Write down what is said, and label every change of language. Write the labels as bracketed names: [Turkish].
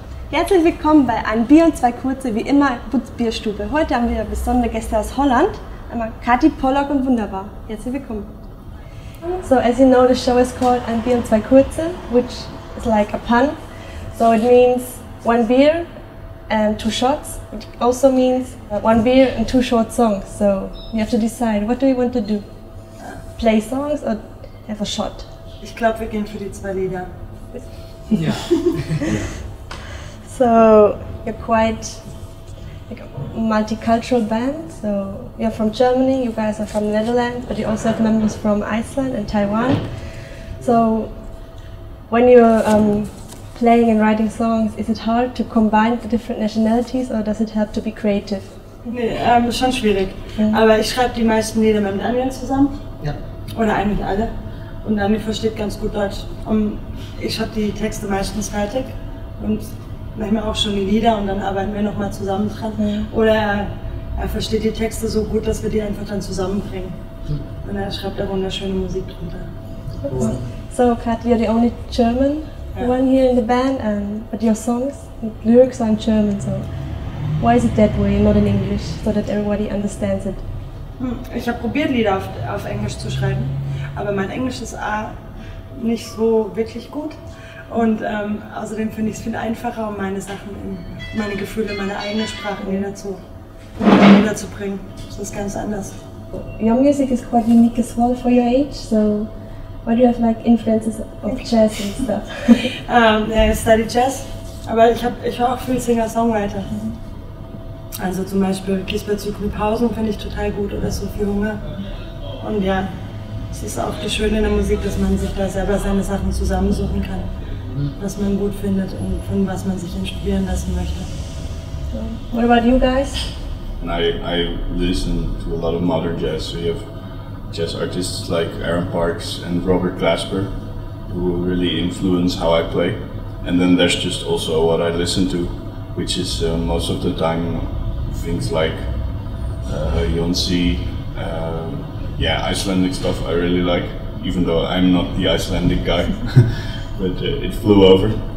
[German] Herzlich willkommen bei Ein Bier und zwei Kurze, wie immer, Putzbierstube. Heute haben wir besondere Gäste aus Holland, einmal Katie Pollock und Wunderbar. Herzlich willkommen. [English] So, as you know, the show is called Ein Bier und zwei Kurze, which is like a pun. So it means one beer and two shots, which also means one beer and two short songs. So you have to decide, what do you want to do? Play songs or have a shot? [German] Ich glaube, wir gehen für die zwei Lieder. Ja. [English] So you're quite like a multicultural band. So you're from Germany, you guys are from the Netherlands, but you also have members from Iceland and Taiwan. So when you're playing and writing songs, is it hard to combine the different nationalities or does it help to be creative? [German] Nee, schon schwierig. Mhm. Aber ich schreibe die meisten Lieder mit anderen zusammen. Ja. Oder eigentlich alle. Und Ami versteht ganz gut Deutsch. Und ich habe die Texte meistens fertig und manchmal auch schon die Lieder und dann arbeiten wir nochmal zusammen dran. Mhm. Oder er versteht die Texte so gut, dass wir die einfach dann zusammenbringen. Mhm. Und er schreibt da wunderschöne Musik drunter. [English] Cool. So, Kat, you're the only German one here in the band, but your songs, the lyrics are in German, so why is it that way, not in English, so that everybody understands it? [German] Ich habe probiert, Lieder auf Englisch zu schreiben, aber mein Englisch ist A, nicht so wirklich gut und außerdem finde ich es viel einfacher, um meine Sachen, meine Gefühle, meine eigene Sprache zu bringen. Das ist ganz anders. [English] Your music is quite unique as well for your age, so why do you have like influences of jazz and stuff? Yeah, I study jazz, [German] aber ich habe auch viel Singer-Songwriter. Mm-hmm. Also zum Beispiel Gisbert Zyklipausen finde ich total gut oder so viel Hunger. Und ja, es ist auch das Schöne in der Musik, dass man sich da selber seine Sachen zusammensuchen kann, was man gut findet und von was man sich inspirieren lassen möchte. [English] So, what about you guys? And I listen to a lot of modern jazz. So you have jazz artists like Aaron Parks and Robert Glasper, who really influence how I play. And then there's just also what I listen to, which is most of the time things like Jonsi, Icelandic stuff I really like, even though I'm not the Icelandic guy, but it flew over.